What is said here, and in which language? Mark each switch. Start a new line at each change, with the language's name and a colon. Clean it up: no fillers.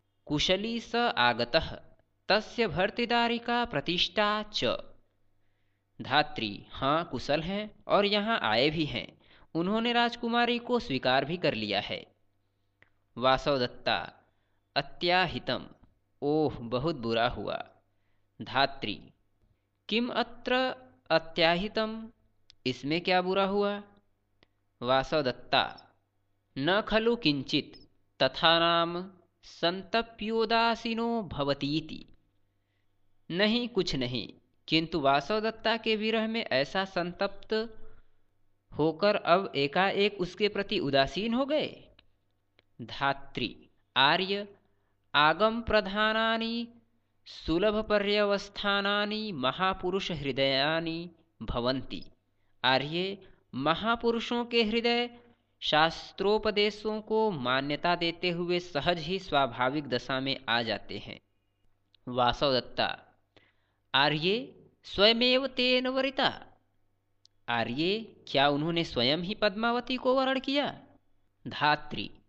Sanskrit: कुशली स आगतः तस्य भर्तृधारिका प्रतिष्ठा च। धात्री।
Hindi: हाँ, कुशल हैं और यहाँ आए भी हैं। उन्होंने राजकुमारी को स्वीकार भी कर लिया है। वासव दत्ता।
Sanskrit: अत्याहितम्।
Hindi: ओह, बहुत बुरा हुआ। धात्री।
Sanskrit: किम अत्र अत्याहितम्।
Hindi: इसमें क्या बुरा हुआ। वासव दत्ता।
Sanskrit: न खलु किंचित् तथा नाम संतप्योदासीनो भवतीति।
Hindi: नहीं, कुछ नहीं, किंतु वासव दत्ता के विरह में ऐसा संतप्त होकर अब एकाएक उसके प्रति उदासीन हो गए। धात्री।
Sanskrit: आर्य आगम प्रधानानि सुलभ पर्यवस्थानानि महापुरुष हृदयानि भवन्ति।
Hindi: आर्य महापुरुषों के हृदय शास्त्रोपदेशों को मान्यता देते हुए सहज ही स्वाभाविक दशा में आ जाते हैं। वासव दत्ता।
Sanskrit: आर्य स्वयमेव तेन वरिता।
Hindi: आर्य क्या उन्होंने स्वयं ही पद्मावती को वरण किया। धात्री।